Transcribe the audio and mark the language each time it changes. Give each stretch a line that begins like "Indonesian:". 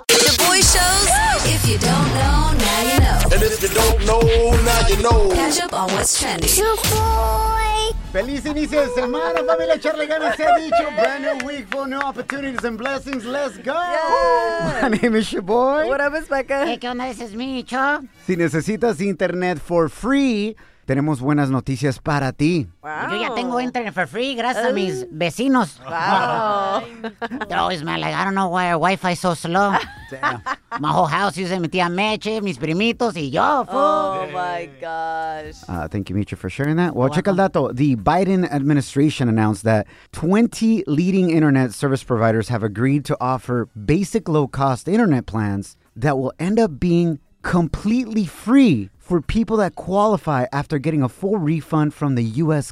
English: The boy shows, if you don't know, now you know. And if you don't know, now you know. Catch up on what's trending.
Spanish: Feliz inicio de semana, familia.
English: Charlie Gunn has said it's a brand new week full of new opportunities and blessings. Let's go. Yeah. My name is your boy. What up, it's Becca. Hey,
Spanish: ¿qué onda?
English: This is me, Cho.
Spanish: Si necesitas internet
English: for free,
Spanish: tenemos buenas noticias para ti.
English: Wow.
Spanish: Yo ya tengo internet
English: for free
Spanish: gracias a mis vecinos.
English: Wow. They're always mad. Like, I don't know why our Wi-Fi is so slow. Damn. My whole house using
Spanish: mi tía Meche, mis primitos, y yo.
English: Oh my gosh. Thank you, Mitra, for sharing that. Well, check
Spanish: el dato.
English: The Biden administration announced that 20 leading internet service providers have agreed to offer basic low-cost internet plans that will end up being completely free for people that qualify after getting a full refund from the U.S.